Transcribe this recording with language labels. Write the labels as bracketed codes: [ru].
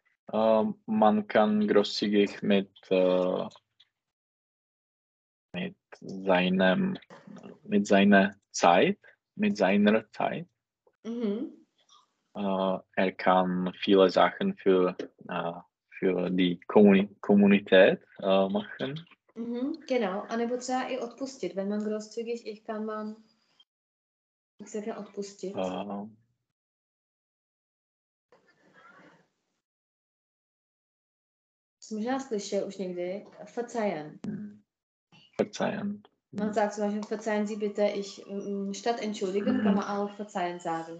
[de] Man kann großzügig mit seiner Zeit. Mhm. Er kann viele Sachen für die Kommunität machen. Mhm, genau, [cs] anebo třeba i odpustit. [de] Wenn man großzügig ist, kann man sehr viel odpustit. [cs] Možná slyšel už někdy. Verzeihen. [de] Verzeihen. Man sagt zum Beispiel, verzeihen Sie bitte, ich statt entschuldigen, kann man auch verzeihen sagen.